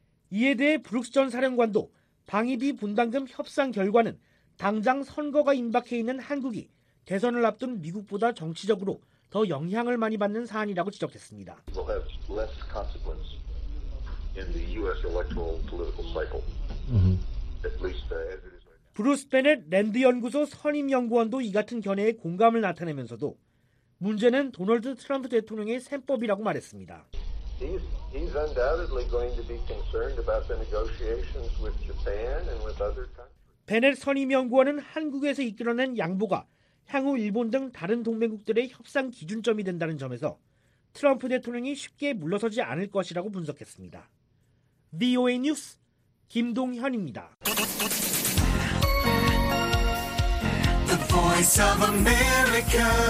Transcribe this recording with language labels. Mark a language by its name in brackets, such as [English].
[Korean] 이에 대해 브룩스 전 사령관도 방위비 분담금 협상 결과는 당장 선거가 임박해 있는 한국이 대선을 앞둔 미국보다 정치적으로 더 영향을 많이 받는 사안이라고 지적했습니다. [English] We'll have less consequence in the U.S. electoral political cycle. At least as it is. [Korean] 브루스 베넷 랜드 연구소 선임 연구원도 이 같은 견해에 공감을 나타내면서도 문제는 도널드 트럼프 대통령의 셈법이라고 말했습니다. [English] He's undoubtedly going to be concerned about the negotiations with Japan and with other countries. [Korean] 베넷 선임 연구원은 한국에서 이끌어낸 양보가 향후 일본 등 다른 동맹국들의 협상 기준점이 된다는 점에서 트럼프 대통령이 쉽게 물러서지 않을 것이라고 분석했습니다. VOA 뉴스 김동현입니다. The Voice of America.